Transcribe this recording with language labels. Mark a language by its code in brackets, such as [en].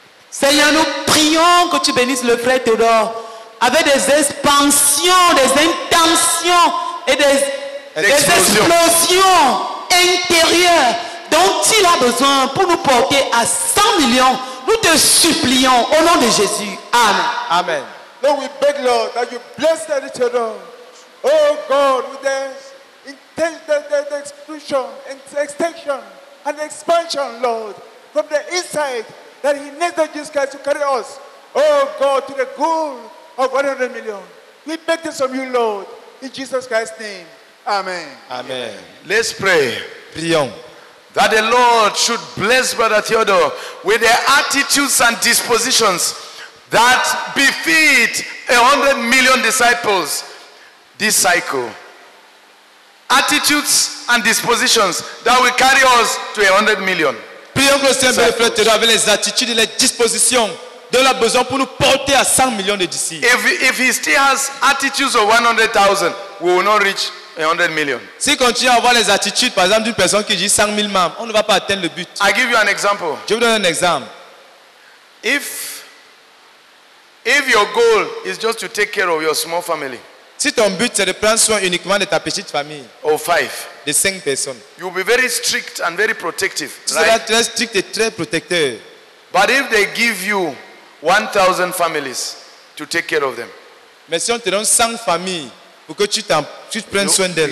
[fr] Seigneur, nous prions que tu bénisses le frère Théodore avec des expansions, des intentions et des explosions intérieures dont il a besoin pour nous porter à 100 millions. Nous te supplions au nom de Jésus. Amen. Amen. [en] Lord, we beg, Lord, that you bless the children. Oh God, with the explosion and extension and expansion, Lord, from the inside, that he needs the Jesus Christ to carry us, oh God, to the goal of 100 million. We beg this from you, Lord, in Jesus Christ's name. Amen. Amen. Let's pray. [fr] Prions. [en] That the Lord should bless Brother Theodore with the attitudes and dispositions that befit 100 million disciples this cycle. Attitudes and dispositions that will carry us to 100 million. [fr] Prions que le Seigneur le frère avec les attitudes et les dispositions dont il a besoin pour nous porter à 100 millions de disciples. [en] If he still has attitudes of 100,000, we will not reach 100 million. [fr] S'il continue à avoir les attitudes, par exemple, d'une personne qui dit 100 000 membres, on ne va pas atteindre le but. [en] I give you an example. [fr] Je vous donne un exemple. [en] If your goal is just to take care of your small family, [fr] si ton but c'est de prendre soin uniquement de ta petite famille, [en] or five, [fr] de cinq personnes, [en] you will be very strict and very protective. [fr] Tu seras très strict et très protecteur. [en] But if they give you 1,000 families to take care of them, [fr] mais si on te donne 100 familles pour que tu prennes soin d'elles,